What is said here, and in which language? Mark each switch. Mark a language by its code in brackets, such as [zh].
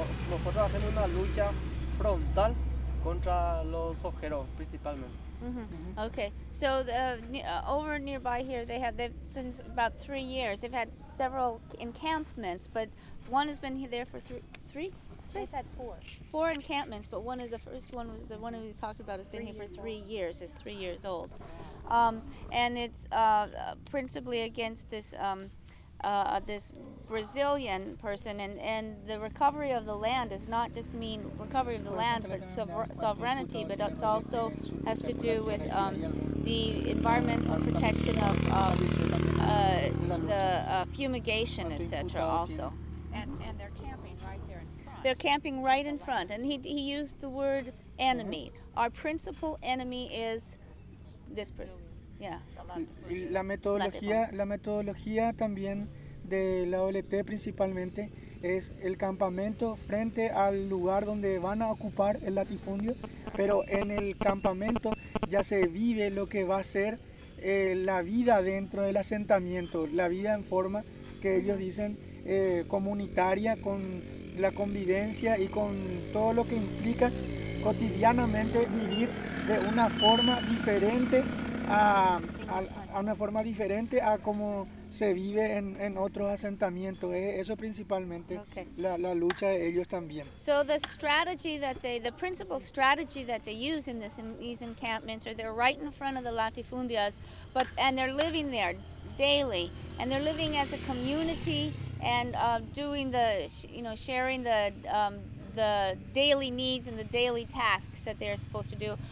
[es] Nosotros hacemos una lucha frontal contra los sojeros principalmente. Mm-hmm. Mm-hmm. [en] Okay, so over nearby here they've since about 3 years they've had several encampments, but one has been there for three? They've had four. Four encampments, but one of the first one was the one who was talking about has been here for 3 years. Is 3 years old, and it's principally against this. This Brazilian person, and the recovery of the land does not just mean recovery of the land, but sovereignty, but it also has to do with the environmental protection of the fumigation, etc. Also, and they're camping right there in front. They're camping right in front, and he used the word enemy. Mm-hmm. Our principal enemy is this person. Yeah. [es] La metodología también de la OLT principalmente es el campamento frente al lugar donde van a ocupar el latifundio, pero en el campamento ya se vive lo que va a ser la vida dentro del asentamiento, la vida en forma que ellos dicen comunitaria, con la convivencia y con todo lo que implica cotidianamente vivir de una forma diferente a una forma diferente a cómo se vive en otros asentamientos. Eso principalmente, la lucha de ellos también. [en] So the strategy that the principal strategy that they use in these encampments are they're right in front of the latifundias, but and they're living there daily, and they're living as a community and doing the sharing the daily needs and the daily tasks that they're supposed to do.